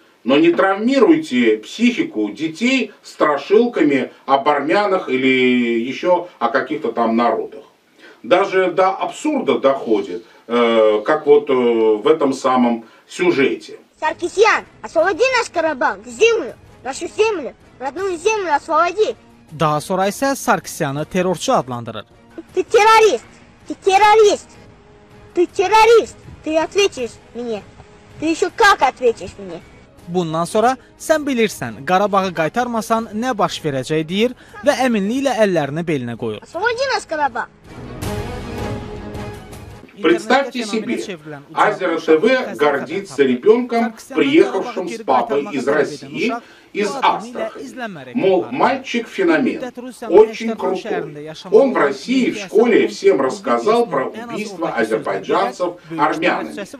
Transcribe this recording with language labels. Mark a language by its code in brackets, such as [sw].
[ru] Но не травмируйте психику детей страшилками об армянах или еще о каких-то там народах. Даже до абсурда доходит, как вот в этом самом сюжете. Саркисян, освободи наш Карабах, землю, нашу землю, родную землю освободи. [az] Daha sonra isə Sarkisyanı terrorçu adlandırır. [ru] Ты террорист! Ты террорист! Ты террорист! Ты ответишь мне! Ты еще как ответишь мне! [az] Bundan sonra sən bilirsən, Qarabağı qaytarmasan nə baş verəcək deyir və əminliklə əllərini belinə qoyur. [ru] Освободи нас, Карабах! Представьте себе, Азера ТВ гордится ребенком, приехавшим с папой из России, из Астрахани. Мол, мальчик феномен, очень крутой. Он в России в школе всем рассказал про убийство азербайджанцев армянами.